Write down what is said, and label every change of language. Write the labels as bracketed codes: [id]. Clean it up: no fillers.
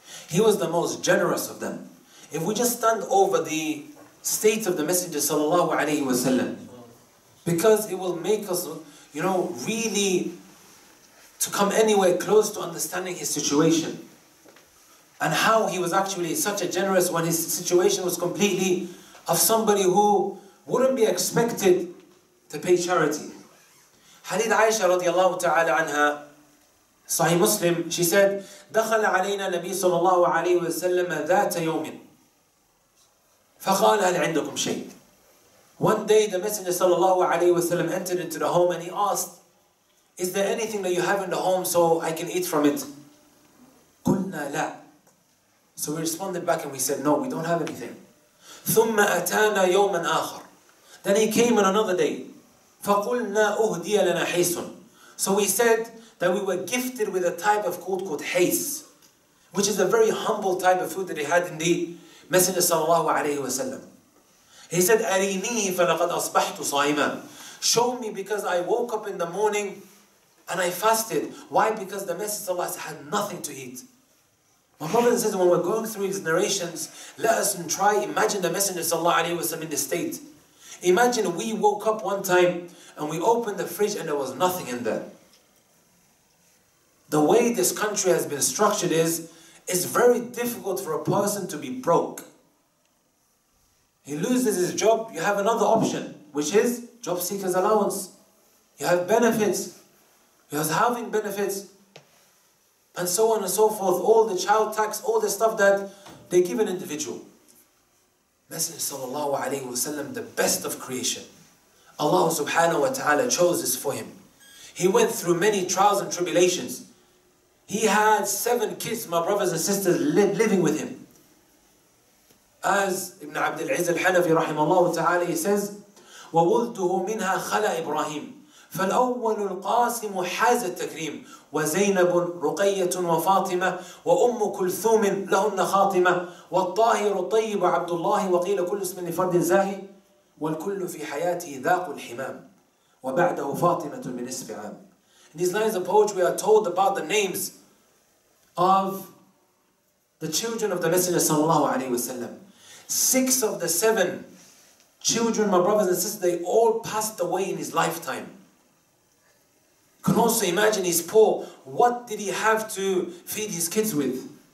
[en] He was the most generous of them. If we just stand over the state of the Messenger صلى الله عليه وسلم, because it will make us, you know, really to come anywhere close to understanding his situation and how he was actually such a generous when his situation was completely of somebody who wouldn't be expected to pay charity. Hadith Aisha radiallahu ta'ala anha, Sahih Muslim, she said, [ar] دخل علينا النبي صلى الله عليه وسلم ذات يوم فقال هل عندكم شيء. [en] One day the Messenger صلى الله عليه وسلم entered into the home and he asked, is there anything that you have in the home so I can eat from it? [ar] قلنا لا. [en] So we responded back and we said, no, we don't have anything. [ar] ثم أتانا يوما آخر. [en] Then he came on another day. [ar] فقلنا أهدي لنا حيس. [en] So we said that we were gifted with a type of food called حيس, which is a very humble type of food that he had in the Messenger صلى الله عليه وسلم. He said, [ar] أرينيه فلقد أصبحت صائما. [en] Show me because I woke up in the morning and I fasted. Why? Because the Messenger صلى الله عليه وسلم had nothing to eat. My brother says, when we're going through these narrations, let us try, imagine the Messenger sallallahu alayhi wa sallam in this state. Imagine we woke up one time and we opened the fridge and there was nothing in there. The way this country has been structured is, it's very difficult for a person to be broke. He loses his job, you have another option, which is job seeker's allowance. You have benefits, you have housing benefits, and so on and so forth, all the child tax, all the stuff that they give an individual. Messenger sallallahu alayhi wa sallam, the best of creation. Allah subhanahu wa ta'ala chose this for him. He went through many trials and tribulations. He had 7 kids, my brothers and sisters, living with him. As Ibn Abdul Izz al-Hanafi rahimahullah ta'ala, he says, [ar] وَوُلْدُهُ مِنْهَا خَلَى إِبْرَاهِيمُ فالأول القاسم حاز التكريم وزينب رقية وفاطمة وأم كلثوم لهن خاتمة والطاهر الطيب عبد الله وقيل كل اسم لفرد زاهي والكل في حياته ذاق الحمام وبعده فاطمة من إسبعام. [en] In these lines of poetry we are told about the names of the children of the Messenger صلى الله عليه وسلم. 6 of the 7 children, my brothers and sisters, they all passed away in his lifetime. Can also imagine he's poor. What did he have to feed his kids with?